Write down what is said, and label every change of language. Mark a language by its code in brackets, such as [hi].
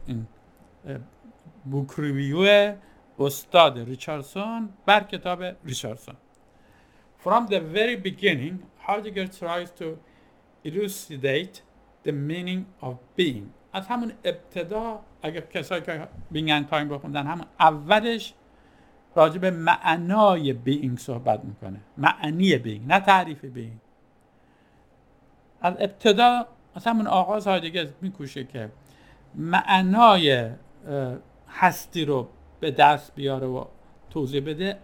[fa] این بوک ریویو استاد ریچاردسون بر کتاب ریچاردسون. [en] From the very beginning Heidegger tries to elucidate the meaning of being. [fa] از همون ابتدا اگر کسایی که Being and Time بخوندن همون اولش راجب معنای بینگ صحبت میکنه، معنی بینگ، نه تعریف بینگ. از ابتدا از همون آغاز هایدگر میکوشه که معنای هستی رو به دست بیاره و توضیح بده.